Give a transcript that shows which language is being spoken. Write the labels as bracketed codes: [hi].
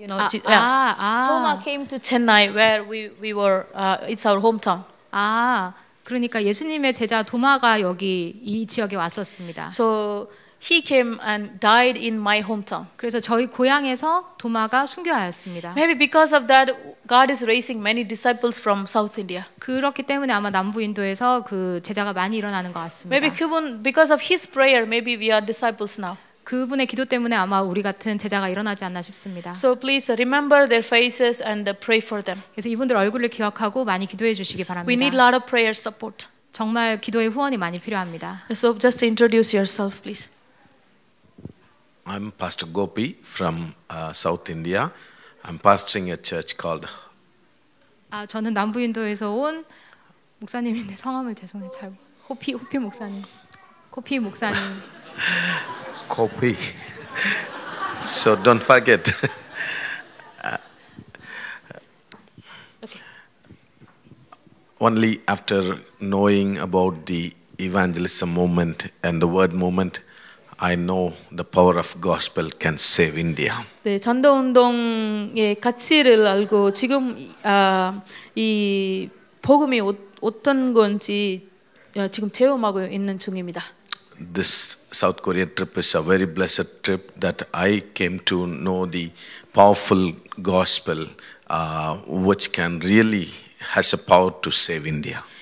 [en] Thoma came to Chennai where we were it's our hometown. [ko] 그러니까 예수님의 제자 도마가 여기 이 지역에 왔었습니다. [en] So he came and died in my hometown. [ko] 그래서 저희 고향에서 도마가 순교하였습니다. [en] Maybe because of that God is raising many disciples from South India. [ko] 그렇기 때문에 아마 남부 인도에서 그 제자가 많이 일어나는 것 같습니다. [en] Maybe [ko] 그분 [en] because of his prayer maybe we are disciples now. [ko] 그분의 기도 때문에 아마 우리 같은 제자가 일어나지 않나 싶습니다. [en] So please remember their faces and pray for them. [ko] 그래서 이분들 얼굴을 기억하고 많이 기도해 주시기 바랍니다. [en] We need a lot of prayer support. [ko] 정말 기도의 후원이 많이 필요합니다. [en] So just introduce yourself please. I'm Pastor Gopi from South India. I'm pastoring a church called [ko] 저는 남부 인도에서 온 목사님인데 성함을 죄송해 잘 호피 목사님. 코피 목사님. [en] 코피. So don't forget. only after knowing about the evangelism movement and the word movement I know the power of gospel can save India. [ko] 네, 전도 운동의 가치를 알고 지금 이 복음이 어떤 건지 지금 체험하고 있는 중입니다. [en] This South Korea trip is a very blessed trip that I came to know the powerful gospel which can really has a power to save India.